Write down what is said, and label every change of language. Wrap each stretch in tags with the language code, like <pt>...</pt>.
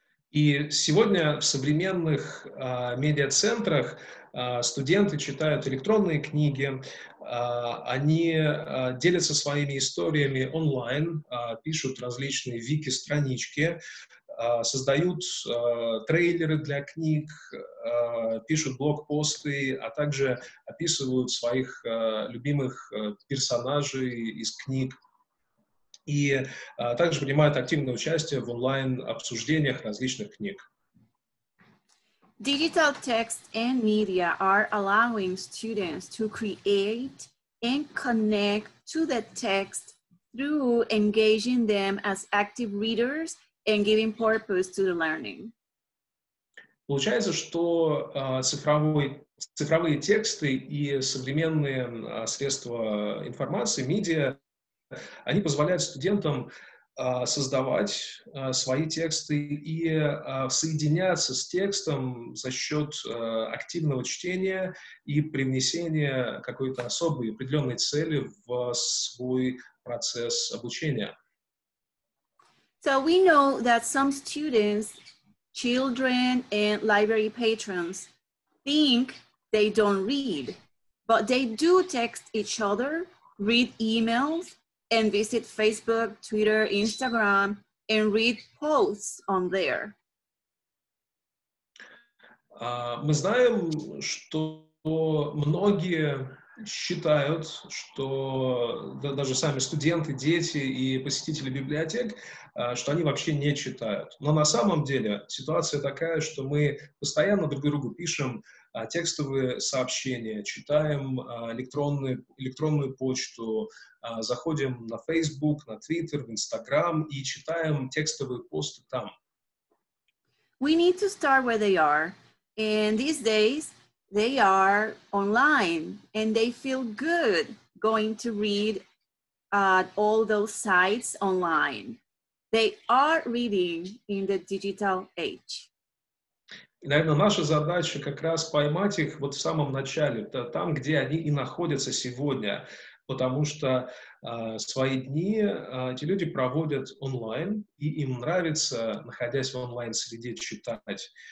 <ru>И сегодня в современных медиа-центрах студенты читают электронные книги, они делятся своими историями онлайн, пишут различные вики-странички, создают трейлеры для книг, пишут блокпосты, а также описывают своих любимых персонажей из книг и также принимают активное участие в онлайн-обсуждениях различных книг.</ru> <en>Digital text and media are allowing students to create and connect to the text through engaging them as active readers and giving purpose to the learning.</en> <ru>Получается, что цифровые тексты и современные средства информации, медиа, они позволяют студентам создавать свои тексты и соединяться с текстом за счет активного чтения и привнесения какой-то особой, определенной цели в свой процесс обучения.</ru> <en>So we know that some students, children, and library patrons think they don't read, but they do text each other, read emails, and visit Facebook, Twitter, Instagram, and read posts on there.</en> <ru>Мы знаем, что многие считают, что даже сами студенты, дети и посетители библиотек, что они вообще не читают. Но на самом деле ситуация такая, что мы постоянно друг другу пишем текстовые сообщения, читаем электронную почту, заходим на Facebook, на Twitter, в Instagram и читаем текстовые посты там.</ru> <en>We need to start where they are. And these days they are online and they feel good going to read all those sites online. They are reading in the digital age.</en> <ru>И, наверное, наша задача как раз поймать их вот в самом начале, там, где они и находятся сегодня, потому что свои дни эти люди проводят онлайн, и им нравится, находясь в онлайн-среде, читать.</ru>